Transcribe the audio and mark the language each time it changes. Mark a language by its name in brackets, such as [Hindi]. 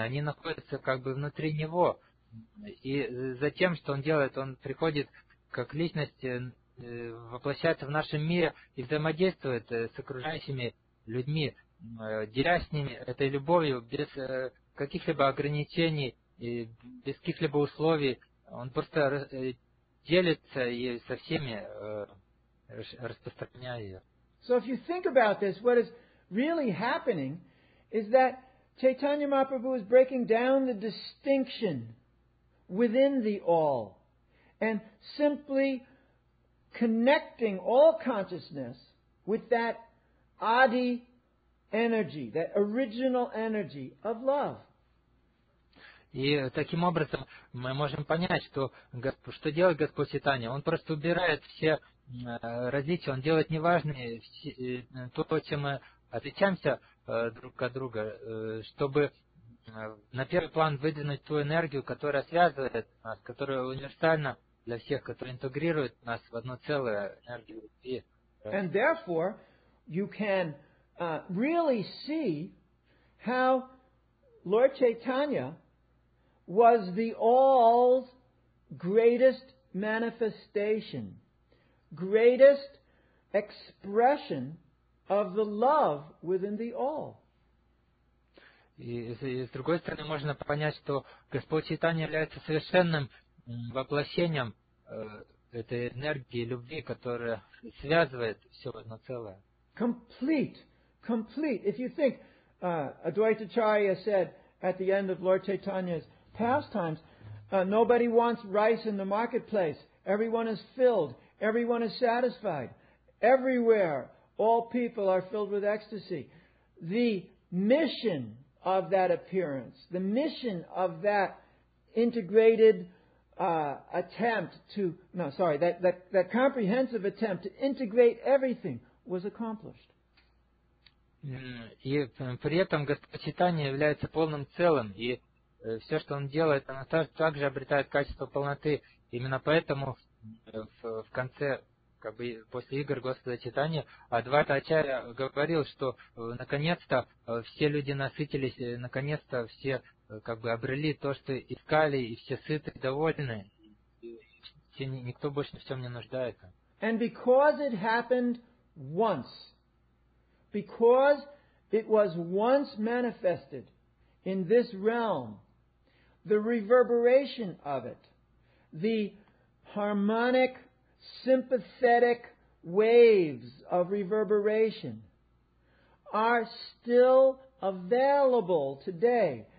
[Russian] Они находятся как бы внутри Него. И затем, что Он делает, Он приходит как Личность, воплощается в нашем мире и взаимодействует с окружающими людьми, делясь с ними этой любовью без каких-либо ограничений, без каких-либо условий. Он просто делится и со всеми распространяет ее. [English] So if you think about this, what is really happening is that Chaitanya Mahaprabhu is breaking down the distinction within the all and simply connecting all consciousness with that Adi energy, that original energy of love. [Russian] И таким образом мы можем понять, что что делает Господь Читания. Он просто убирает все различия, он делает неважные то, чем мы отличаемся друг от друга, чтобы на первый план выдвинуть ту энергию, которая связывает нас, которая универсальна для всех, которая интегрирует нас в одно целое энергию. [English] And therefore, you can really see how Lord Chaitanya was the all's greatest manifestation, greatest expression of the love within the all. [Russian] И с другой стороны, можно понять, что Господь Чайтанья является совершенным воплощением этой энергии любви, которая связывает все в одно целое. [English] Complete, complete. If you think, Advaita Charya said at the end of Lord Chaitanya's pastimes, nobody wants rice in the marketplace. Everyone is filled. Everyone is satisfied. Everywhere, all people are filled with ecstasy. The mission of that appearance, the mission of that integrated attempt to, no, sorry, that comprehensive attempt to integrate everything was accomplished. [Russian] И при этом Господь Читания является полным целым, и все, что Он делает, оно также обретает качество полноты. Именно поэтому в конце, как бы после игр Господа Читания, Адвайта Ачарья говорил, что наконец-то все люди насытились, наконец-то все как бы обрели то, что искали, и все сыты, довольны, и никто больше ни в чем не нуждается. [English] And because it happened once, because it was once manifested in this realm, the reverberation of it, the harmonic, sympathetic waves of reverberation are still available today.